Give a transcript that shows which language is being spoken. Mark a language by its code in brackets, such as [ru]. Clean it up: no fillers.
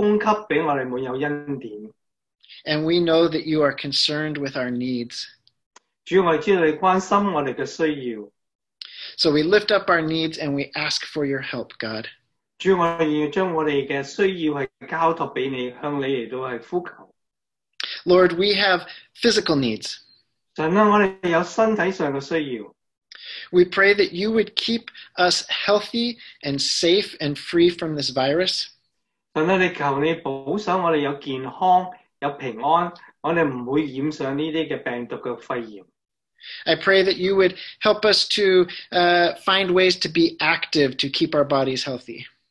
[zh] 虽然我们生活现在有些困难，但是主你每一日都供给给我们满有恩典。 [en] And we know that you are concerned with our needs. [zh] 主，我们知道你关心我们的需要。 [en] So we lift up our needs and we ask for your help, God. [zh] 主，我们要将我们的需要交托给你，向你来呼求。 [en] Lord, we have physical needs. [zh] 神啊，我们有身体上的需要。 [en] We pray that you would keep us healthy and safe and free from this virus. [zh] 神啊，你求你保守我们有健康，有平安，我们不会染上这些病毒的肺炎。 [en] I pray that you would help us to find ways to be active to keep our bodies healthy.